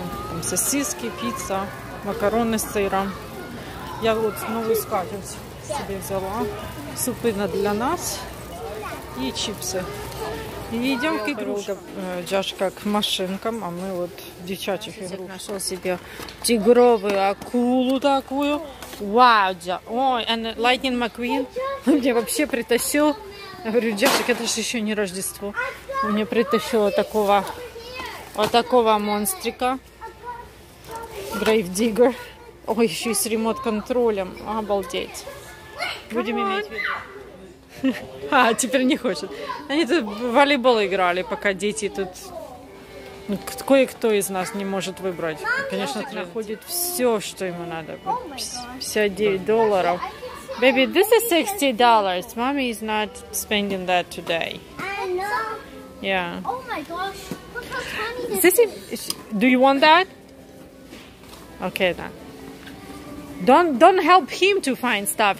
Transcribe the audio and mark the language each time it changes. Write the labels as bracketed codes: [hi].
[ru] Там сосиски, пицца, макароны с сыром. Я вот новую скатерть себе взяла. Супы для нас и чипсы. И идем к игрушкам. Джашка к машинкам, а мы вот девчачьих игрушек. Нашел себе тигровую акулу такую. [en] Вау, and Lightning McQueen. [ru] Он мне вообще притащил. Я говорю, Джашек, это же еще не Рождество. Он мне притащил вот такого монстрика. [en] Brave Digger. [ru] Ой, еще и с ремонт-контролем. Обалдеть. Будем иметь в виду. А, теперь не хочет. Они тут в волейбол играли, пока дети тут... Кое-кто из нас не может выбрать. Конечно, находит все, что ему надо. [en] $59. Baby, this is $60. Mommy is not spending that today. Yeah. Oh my gosh. Look how funny. Do you want that? Okay, then. Don't help him to find stuff.